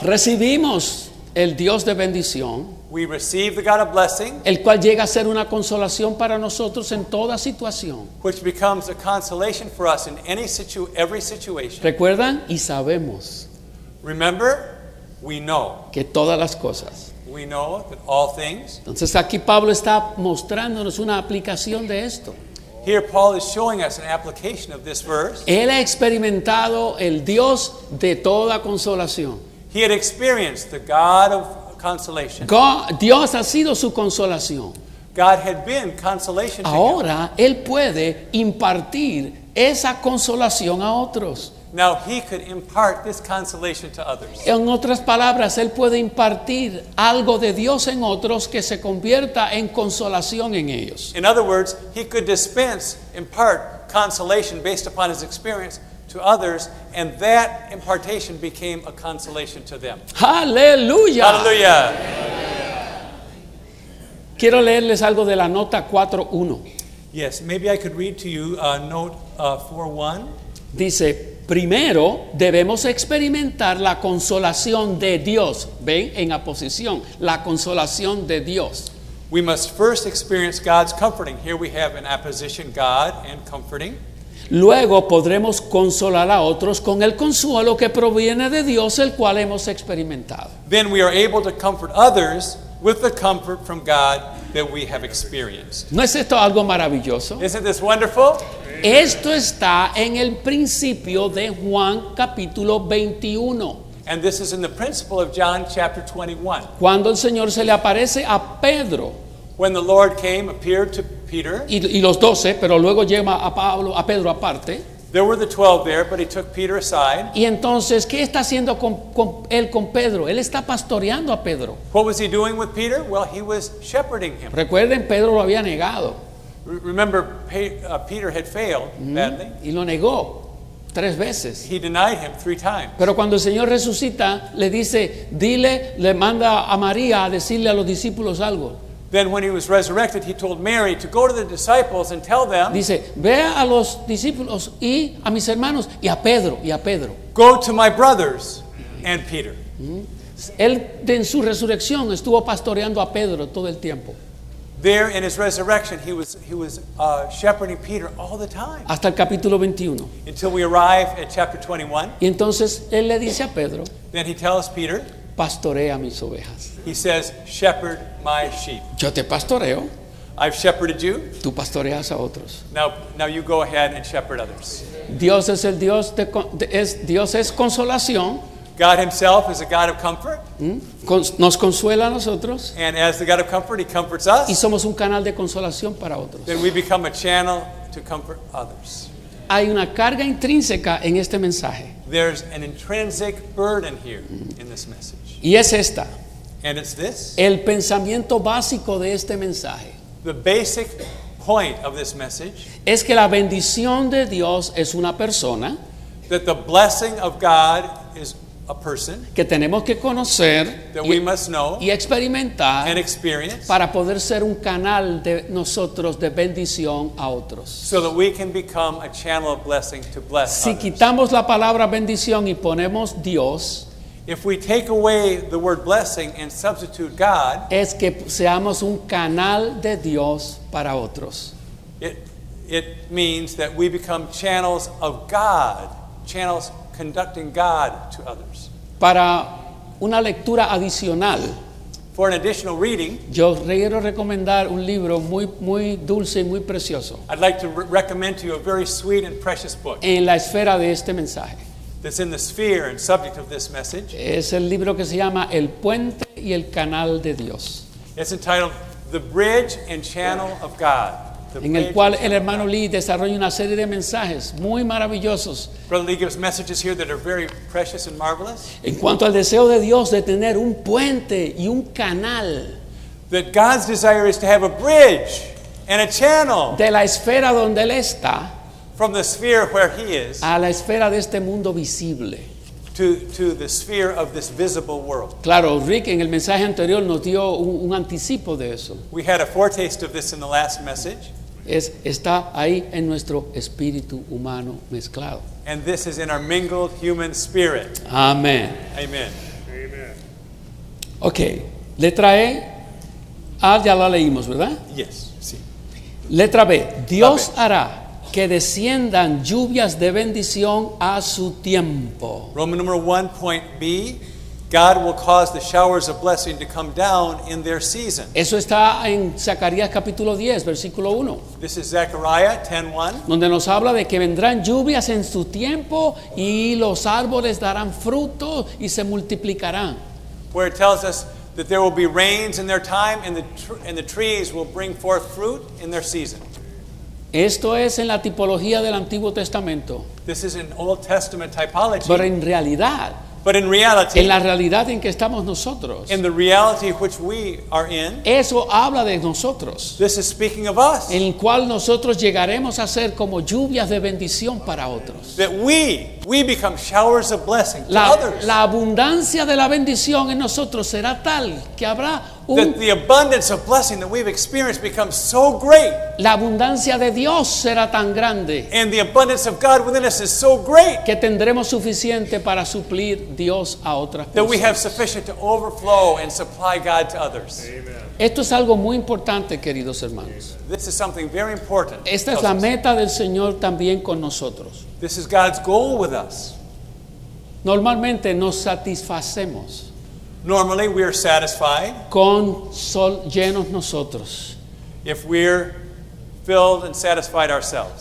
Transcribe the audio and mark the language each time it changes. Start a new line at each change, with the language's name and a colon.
Spanish: Recibimos el Dios de bendición.
English: We receive the God of blessing.
Spanish: El cual llega a ser una consolación para nosotros en toda situación.
English: Which becomes a consolation for us in any every situation.
Spanish: ¿Recuerdan? Y sabemos.
English: Remember, we know.
Spanish: Que todas las cosas.
English: We know that all things.
Spanish: Entonces aquí Pablo está mostrándonos una aplicación de esto.
English: Here Paul is showing us an application of this verse.
Spanish: Él ha experimentado el Dios de toda consolación.
English: He had experienced the God of consolation.
Spanish: Dios ha sido su consolación.
English: God had been consolation.
Spanish: Ahora él puede impartir esa consolación a otros.
English: Now he could impart this consolation to others.
Spanish: En otras palabras, él puede impartir algo de Dios en otros que se convierta en consolación en ellos.
English: In other words, he could dispense, impart consolation based upon his experience to others, and that impartation became a consolation to them.
Spanish: Hallelujah.
English: Hallelujah.
Spanish: Quiero leerles algo de la nota 4:1.
English: Yes, maybe I could read to you note 4:1.
Spanish: Dice, primero debemos experimentar la consolación de Dios. Ven en aposición, la consolación de Dios.
English: We must first experience God's comforting. Here we have an apposition, God and comforting.
Spanish: Luego podremos consolar a otros con el consuelo que proviene de Dios, el cual hemos experimentado.
English: Then we are able to comfort others with the comfort from God that we have experienced.
Spanish: ¿No es esto algo maravilloso?
English: Isn't this wonderful?
Spanish: Esto está en el principio de Juan capítulo 21.
English: And this is in the principle of John chapter 21.
Spanish: Cuando el Señor se le aparece a Pedro.
English: When the Lord came, appeared to Peter.
Spanish: Y los doce, pero luego llama a Pablo, a Pedro aparte.
English: There were the 12 there, but he took Peter aside.
Spanish: Y entonces, ¿qué está haciendo él con Pedro? Él está pastoreando a Pedro.
English: What was he doing with Peter? Well, he was shepherding him.
Spanish: Recuerden, Pedro lo había negado.
English: Remember, Peter had failed badly.
Spanish: Y lo negó tres veces.
English: He denied him three times.
Spanish: Pero cuando el Señor resucita, le dice, dile, le manda a María a decirle a los discípulos algo.
English: Then when he was resurrected, he told Mary to go to the disciples and tell them.
Spanish: Dice, ve a los discípulos y a mis hermanos y a Pedro, y a Pedro.
English: Go to my brothers and Peter.
Spanish: Él en su resurrección estuvo pastoreando a Pedro todo el tiempo.
English: There in his resurrection, he was shepherding Peter all the time.
Spanish: Hasta el capítulo 21.
English: Until we arrive at chapter 21.
Spanish: Y entonces él le dice a Pedro.
English: Then he tells Peter.
Spanish: Pastorea mis ovejas.
English: He says, shepherd my sheep.
Spanish: Yo te pastoreo.
English: I've shepherded you.
Spanish: Tú pastoreas a otros.
English: Now you go ahead and shepherd others.
Spanish: Dios es el Dios Dios es consolación.
English: God himself is a God of comfort.
Spanish: Nos consuela a nosotros.
English: And as the God of comfort, he comforts us.
Spanish: Y somos un canal de consolación para otros.
English: Then we become a channel to comfort others.
Spanish: Hay una carga intrínseca en este mensaje.
English: There's an intrinsic burden here in this message.
Spanish: Y es esta.
English: And it's this.
Spanish: El pensamiento básico de este mensaje.
English: The basic point of this message.
Spanish: Es que la bendición de Dios es una persona.
English: That the blessing of God is a person.
Spanish: Que tenemos que conocer.
English: That we must know.
Spanish: Y experimentar.
English: And experience.
Spanish: Para poder ser un canal de nosotros de bendición a otros.
English: So that we can become a channel of blessing to bless others.
Spanish: Si quitamos la palabra bendición y ponemos Dios.
English: If we take away the word blessing and substitute God.
Spanish: Es que seamos un canal de Dios para otros.
English: It means that we become channels of God. Channels conducting God to others.
Spanish: Para una lectura adicional.
English: For an additional reading.
Spanish: Yo quiero recomendar un libro muy, muy dulce y muy precioso.
English: I'd like to recommend to you a very sweet and precious book.
Spanish: En la esfera de este mensaje.
English: That's in the sphere and subject of this message.
Spanish: Es el libro que se llama El Puente y el Canal de Dios.
English: It's entitled The Bridge and Channel of God.
Spanish: En el cual el hermano Lee desarrolla una serie de mensajes muy maravillosos.
English: Brother Lee gives messages here that are very precious and marvelous.
Spanish: En cuanto al deseo de Dios de tener un puente y un canal.
English: That God's desire is to have a bridge and a channel.
Spanish: De la esfera donde él está.
English: From the sphere where he is.
Spanish: A la esfera de este mundo visible.
English: To the sphere of this visible world.
Spanish: Claro, Rick en el mensaje anterior nos dio un anticipo de eso.
English: We had a foretaste of this in the last message.
Spanish: Está ahí en nuestro espíritu humano mezclado.
English: And this is in our mingled human spirit. Amen. Amen. Amen.
Spanish: Okay. Letra E. Ya la leímos, ¿verdad?
English: Yes.
Spanish: Sí. Letra B. Dios hará que desciendan lluvias de bendición a su tiempo.
English: Roman number 1 point B. God will cause the showers of blessing to come down in their season.
Spanish: Eso está en Zacarías capítulo 10, versículo 1.
English: This is Zechariah 10:1.
Spanish: Donde nos habla de que vendrán lluvias en su tiempo y los árboles darán fruto y se multiplicarán.
English: Where it tells us that there will be rains in their time and the trees will bring forth fruit in their season.
Spanish: Esto es en la tipología del Antiguo Testamento.
English: This is an Old Testament typology.
Spanish: Pero en realidad.
English: But in reality,
Spanish: en la realidad en que estamos nosotros.
English: In the reality which we are in.
Spanish: Eso habla de nosotros.
English: This is speaking of us.
Spanish: En el cual nosotros llegaremos a ser como lluvias de bendición para otros.
English: That we become showers of blessing to others.
Spanish: La abundancia de la bendición en nosotros será tal que habrá un.
English: That the abundance of blessing that we've experienced becomes so great.
Spanish: La abundancia de Dios será tan grande.
English: And the abundance of God within us is so great.
Spanish: Que tendremos suficiente para suplir Dios a otras personas.
English: That we have sufficient to overflow and supply God to others. Amen.
Spanish: Esto es algo muy importante, queridos hermanos.
English: Amen. This is something very important.
Spanish: Esta es la meta del Señor también con nosotros.
English: This is God's goal with us.
Spanish: Normalmente nos satisfacemos.
English: Normally we are satisfied.
Spanish: Con sol llenos nosotros.
English: If we're filled and satisfied ourselves.